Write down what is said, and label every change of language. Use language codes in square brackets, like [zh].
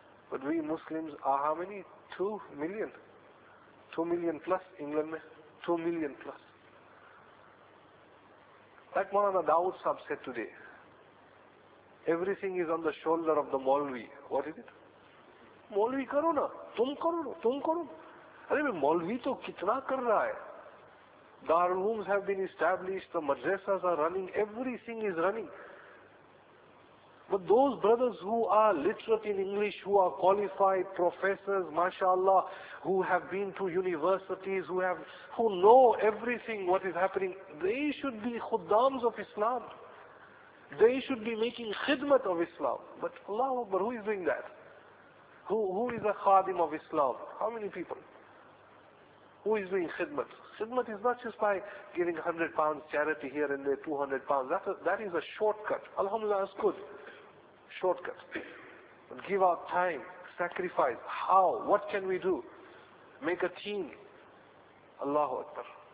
[en] But we Muslims are how many? 2 million. 2 million plus, England, 2 million plus. Like Maulana Dawood Saab said today, everything is on the shoulder of the Maulvi. What is it? [ur] Maulvi karo na, tum karo. अरे भाई मौलवी तो कितना कर रहा है [en] दारुल हुकूमस have been established the मदरसास are running everything is running but those brothers who are literate in English who are qualified professors माशाल्लाह who have been to universities who know everything what is happening they should be खुद्दाम्स of Islam they should be making खिदमत of Islam but अल्लाह अकबर who is doing that who is a खादिम of Islam how many people Who is doing khidmat? Khidmat is not just by giving £100 charity here and there, £200. That is a shortcut. Alhamdulillah, that's good. Shortcut. But give our time, sacrifice. How? What can we do? Make a team. Allahu Akbar.